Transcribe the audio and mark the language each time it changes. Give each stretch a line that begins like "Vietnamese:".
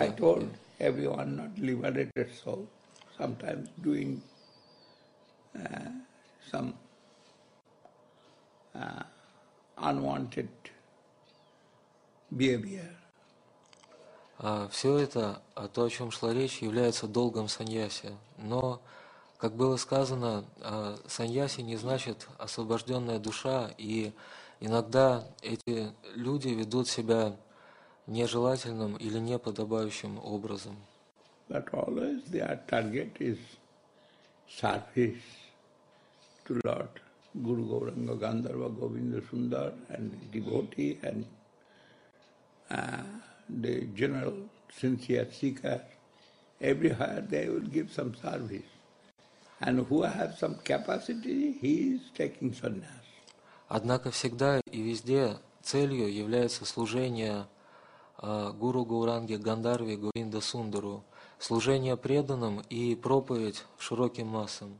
English: I told everyone not liberated soul, sometimes doing some unwanted behavior.
Russian: Все это, то, о чем шла речь, является долгом саньяси. Но, как было сказано, саньяси не значит освобожденная душа, и иногда эти люди ведут себя нежелательным или неподобающим образом.
English: But always their target is service to Lord Guru Gauranga Gandharva Govinda Sundar and the devotee and the general sincere seeker. Everywhere they will give some service. And who have some capacity, he is taking sannyas.
Russian: Однако всегда и везде целью является служение Гуру Гауранге Гандарве Говинда Сундару, служение преданным и проповедь широким массам.